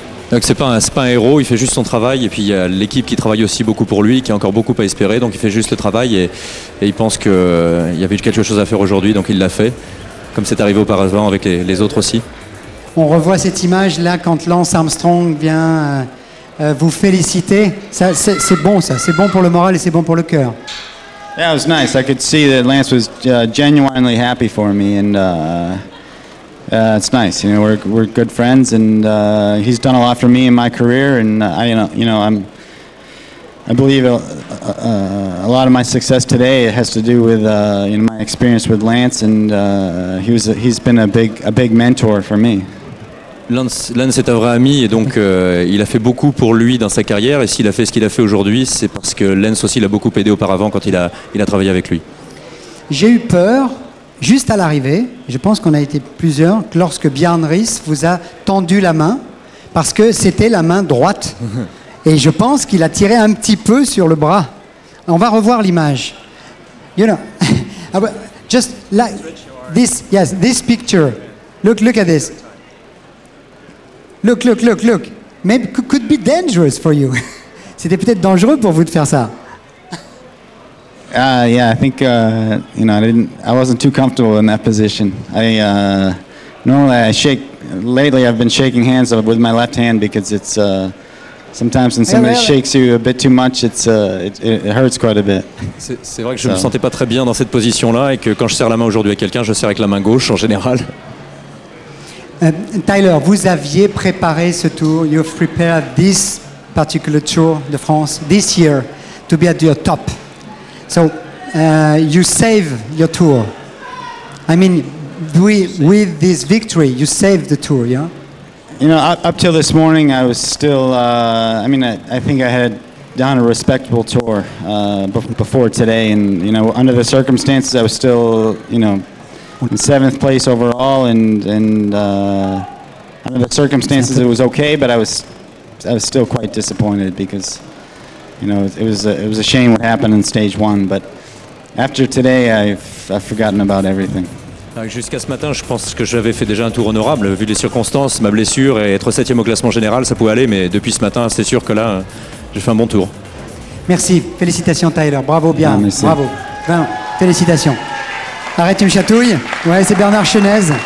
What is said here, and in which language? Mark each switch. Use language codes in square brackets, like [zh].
[fr] Donc c'est pas un héros, il fait juste son travail, et puis il y a l'équipe qui travaille aussi beaucoup pour lui, qui a encore beaucoup à espérer, donc il fait juste le travail, et il pense qu'il y avait quelque chose à faire aujourd'hui, donc il l'a fait, comme c'est arrivé auparavant avec les autres aussi. On revoit cette image là quand Lance Armstrong vient vous féliciter. Ça, c'est bon ça, c'est bon pour le moral et c'est bon pour le cœur. [en] Yeah, it was nice. I could see that Lance was genuinely happy for me, and it's nice. You know, we're good friends, and he's done a lot for me in my career, and I believe a lot of my success today has to do with you know, my experience with Lance, and he's been a big mentor for me. [fr] Lance est un vrai ami, et donc il a fait beaucoup pour lui dans sa carrière, et s'il a fait ce qu'il a fait aujourd'hui, c'est parce que Lance aussi l'a beaucoup aidé auparavant quand il a travaillé avec lui. J'ai eu peur juste à l'arrivée, je pense qu'on a été plusieurs, lorsque Bjarne Riis vous a tendu la main, parce que c'était la main droite. Et je pense qu'il a tiré un petit peu sur le bras. On va revoir l'image. [en] You know, just like this, yes, this picture. Look at this. Look. Maybe could be dangerous for you. [fr] C'était peut-être dangereux pour vous de faire ça. [en] Yeah, I think you know, I wasn't too comfortable in that position. Lately I've been shaking hands with my left hand, because it's sometimes when somebody shakes you a bit too much, it hurts quite a bit. [fr] C'est vrai que je me sentais pas très bien dans cette position là, et que quand je serre la main aujourd'hui à quelqu'un, je serre avec la main gauche en général. [en] Tyler, [fr] vous aviez préparé ce tour, [en] you've prepared this particular tour de France this year to be at your top. So you save your tour. I mean, with this victory, you save the tour, yeah? You know, up till this morning, I was still, I think I had done a respectable tour before today. And, you know, under the circumstances, I was still, you know, in seventh place overall. And under the circumstances, it was okay, but I was still quite disappointed, because, you know, it was a shame what happened in stage one, but after today, I've forgotten about everything. [fr] Jusqu'à ce matin, je pense que j'avais fait déjà un tour honorable, vu les circonstances, ma blessure, et être septième au classement général, ça pouvait aller, mais depuis ce matin, c'est sûr que là, j'ai fait un bon tour. Merci, félicitations Tyler, bravo bien, merci. Bravo, enfin, félicitations. Arrête, tu me chatouilles. Ouais, c'est Bernard Chenez.